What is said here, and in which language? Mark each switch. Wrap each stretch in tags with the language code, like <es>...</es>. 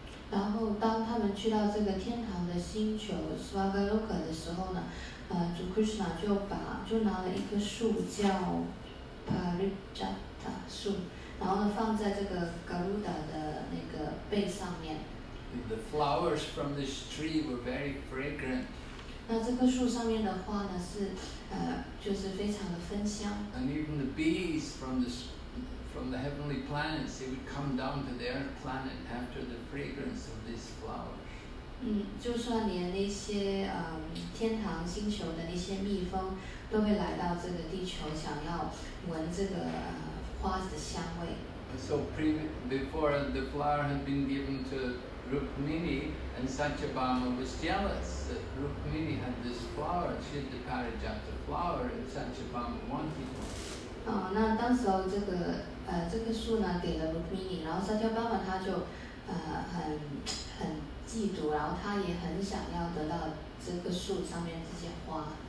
<zh>然后当他们去到这个天堂的星球 Swargaloka 的时候呢？主 Krishna 就拿了一棵树叫 Parijata 树，然后放在这个 Garuda 的那个背上面。</zh> <en>The flowers from this tree were very fragrant.</en> <zh>那这棵树上面的花呢是就是非常的芬香。</zh> <en>And even the bees from the heavenly planets, they would come down to the earth planet after the fragrance of these flowers.</en> <zh>就算连那些天堂星球的那些蜜蜂都会来到这个地球，想要闻这个花的香味。</zh> <en>So before the flower had been given to Rukmini, and Satyabhama was jealous that Rukmini had this flower, she had the Parijata flower, and Satyabhama wanted one.</en> <zh>那当时候这个树呢给了 Rukmini， 然后 Satyabhama 他就很嫉妒，然后他也很想要得到这个树上面这些花。</zh>